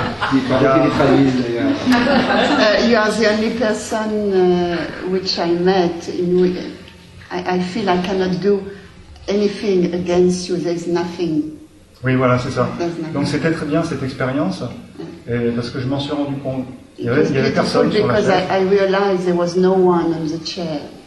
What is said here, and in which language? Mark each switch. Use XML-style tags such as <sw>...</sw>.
<en>you are the only person which I met in Wigan. I feel I cannot do anything against you, there is nothing.</en> <fr>Oui, voilà, c'est ça. Donc c'était très bien cette expérience, et parce que je m'en suis rendu compte. Il y avait personne sur la chaise.</fr> <en>Because I realized there was no one on the chair.</en>